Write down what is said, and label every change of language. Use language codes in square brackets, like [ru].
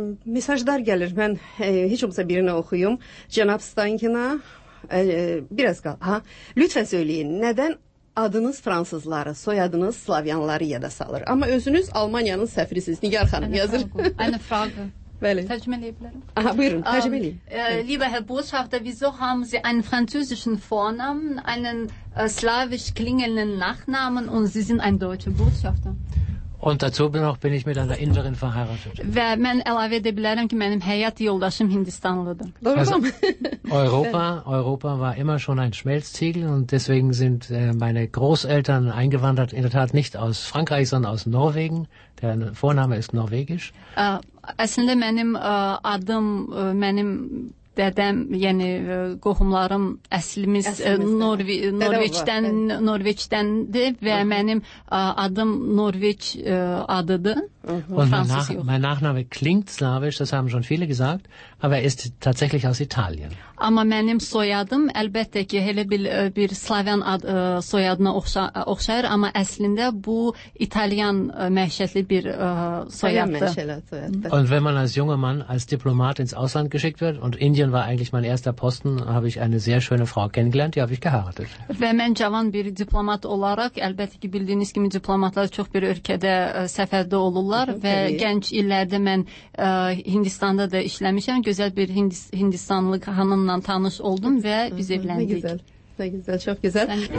[az] Mesajlar gəlir, mən heç olmasa birini oxuyum. Cənab Steinkena, biraz qal, lütfən söyləyin, nədən adınız fransızları, soyadınız slavyanları yada salır. Amma özünüz Almanyanın səfirisiniz. Nigar xanım yazır. [de] Eine Frage. [az] Bəli. Təcrübə edə bilərəm. Aha, buyurun, təcrübə edin. [de] Lieber Herr Botschafter, wieso haben Sie einen französischen Vornamen, einen slawisch klingenden Nachnamen und Sie sind ein deutscher Botschafter? Und dazu noch bin ich mit einer Inderin verheiratet. [az] Ve mən əlavə edə bilərəm ki, mənim həyat yoldaşım Hindistanlıdır. Doğru mu? [de] Europa war immer schon ein Schmelztiegel und deswegen sind meine Großeltern eingewandert, in der Tat nicht aus Frankreich, sondern aus Norwegen. Der Vorname ist norwegisch. [az] Əslində mənim adım, mənim dedem, yani qohumlarım əslimiz Norveçdəndir və mənim adım Norveç adıdır. [de] Und mein Nachname klingt slavisch, das haben schon viele gesagt, aber er ist tatsächlich aus Italien. [az] Amma mənim soyadım əlbəttə ki, elə bir slavyan soyadına oxşayır, amma əslində bu İtalyan məhşətli bir soyaddır. [de] Und wenn man als junger Mann als Diplomat ins Ausland geschickt wird und Indien war eigentlich mein erster Posten, habe ich eine sehr schöne Frau kennengelernt, die habe ich geheiratet. [az] Və mən cavan bir diplomat olaraq, əlbəttə ki, bildiyiniz kimi diplomatlar çox bir ölkədə səfərdə olur. Və gənc illərdə mən Hindistanda da işləmişəm. Gözəl bir Hindistanlı xanımla tanış oldum və biz evləndik. Nə gözəl, çox gözəl.